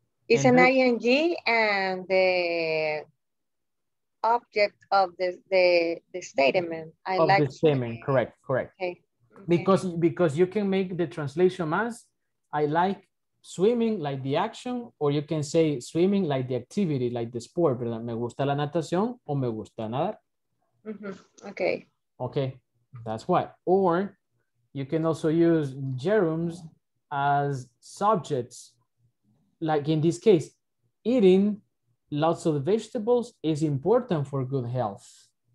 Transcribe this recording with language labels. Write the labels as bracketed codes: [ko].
[en] It's ing, and the object of the statement. I of like the statement, correct. Okay. Okay. Because you can make the translation as I like swimming, like the action, or you can say swimming like the activity, like the sport, ¿verdad? [es] Me gusta la natación o me gusta nadar. [en] Mm-hmm. Okay. Okay, that's why. Or you can also use gerunds as subjects. Like in this case, eating lots of vegetables is important for good health.